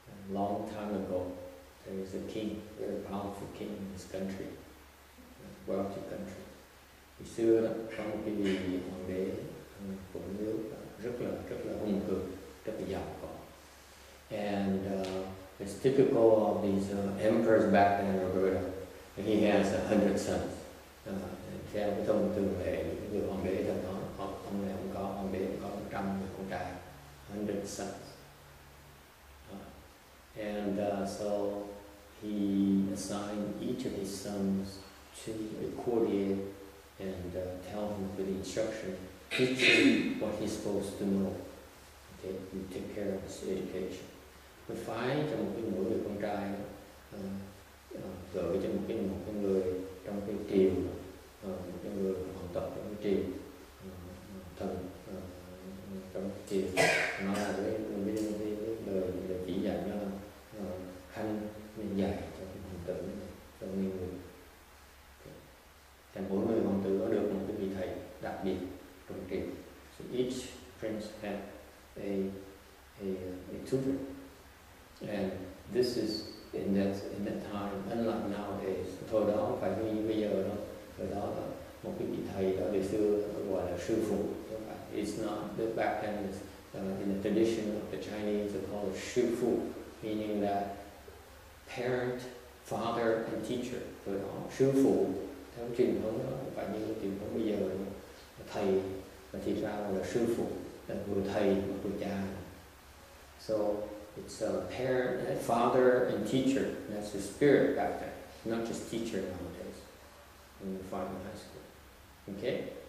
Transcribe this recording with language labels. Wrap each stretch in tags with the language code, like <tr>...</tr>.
<en>Long time ago, there was a king, a very powerful king in this country, a wealthy country.</en> <vi>Ngày xưa có một cái vị hoàng đế của nước rất là hùng cường, rất là giàu có.</vi> <en>And it's typical of these emperors back then, Roberto. He has 100 sons.</en> <vi>Theo cái thông thường về những người hoàng đế thời đó, ông này ông có 100 người con trai,</vi> <en>100 sons. And so he assigned each of his sons to a courtier and tell him with the instruction, teach him what he's supposed to know. Okay, you take care of his education.</en> <vi>Và phái cho một cái người con trai gửi cho một cái người trong cái triều, một cái người hoàng tộc trong cái triều, thần trong cái triều, nói là với người chỉ dạy cho hành nên dạy cho cái hoàng tử này, cho cái người. Thành mỗi người hoàng tử có được một cái vị thầy đặc biệt trong triều.</vi> <en>So each prince had a tutor. And this is in that time, unlike nowadays.</en> <vi>Thời đó phải như bây giờ đó. Thời đó là một cái vị thầy đó, ngày xưa gọi là sư phụ.</vi> <en>It's not the back then. In the tradition of the Chinese, they call it sư phụ, meaning that parent, father, and teacher.</en> <vi>Thời đó sư phụ theo truyền thống đó phải như truyền thống bây giờ đó. Thầy và thì ra là sư phụ, là vừa thầy vừa cha.</vi> <en>So it's a parent, a father, and teacher. That's the spirit back then, not just teacher nowadays. When you find in high school, okay.</en>